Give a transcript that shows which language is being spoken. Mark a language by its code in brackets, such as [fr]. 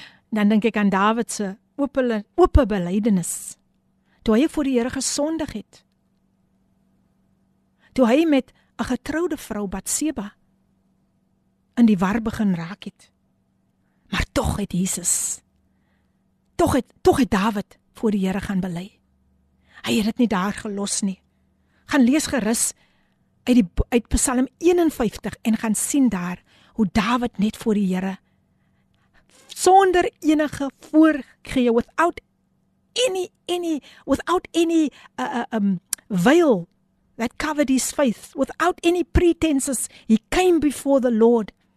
[af] Dan dink ek aan Dawid se oop belydenis. Toe hy voor die Here gesondig het. Toe hy met 'n getroude vrou Batseba in die war begin raak het. Maar tog het Dawid voor die Here gaan bely. Hy het dit nie daar gelos nie. Gaan lees gerus uit Psalm 51 en gaan sien daar hoe Dawid net voor die Here sonder enige voorgee [en] without any veil that covered his faith, without any pretenses, he came before the Lord.